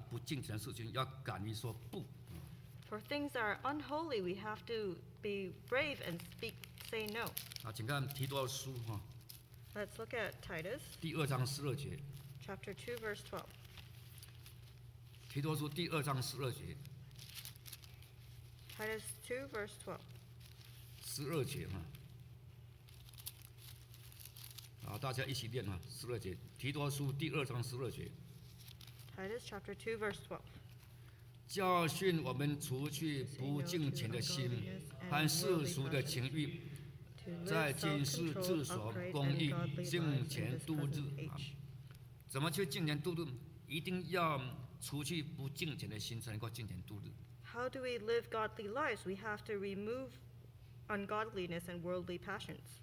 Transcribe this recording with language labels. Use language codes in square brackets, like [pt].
[zh] 那我们对这些不敬虔的事情要敢于说不。 [en] For things that are unholy, we have to be brave and say no. [zh] 请看提多书。 [en] Let's look at Titus. [zh] 第二章十二节。 [en] Chapter 2, verse 12. [zh] 提多书第二章十二节。 [en] Titus 2, verse 12. [zh] 十二节，大家一起念，十二节，提多书第二章十二节。 [en] Titus chapter 2, verse 12. [zh] 教训我们除去不敬虔的心，和世俗的情欲，在今世自守公义，敬虔度日。怎么去敬虔度日？一定要除去不敬虔的心，才能够敬虔度日。 [en] How do we live godly lives? We have to remove ungodliness and worldly passions.